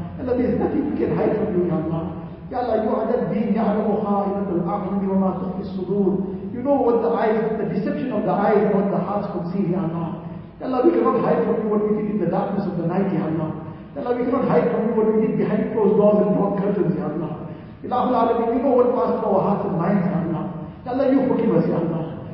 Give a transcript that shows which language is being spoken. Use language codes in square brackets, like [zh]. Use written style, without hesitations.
[en] Allah, there is nothing we can hide from you, [ar] يا الله. يا الله, [en] you are that being, [ar] يعلم خائنة الأعين وما تخفي الصدور. [en] You know what the eyes, the deception of the eyes, what the hearts could see, [ar] يا الله. يا الله, [en] we cannot hide from you what we did in the darkness of the night, يا الله. يا الله, we cannot hide from you what we did behind closed doors and drawn curtains, يا الله. [ar] Ilahul Alameen, [en] you know what passed through our hearts and minds, ya Allah. Ya Allah, you forgive us, ya Allah.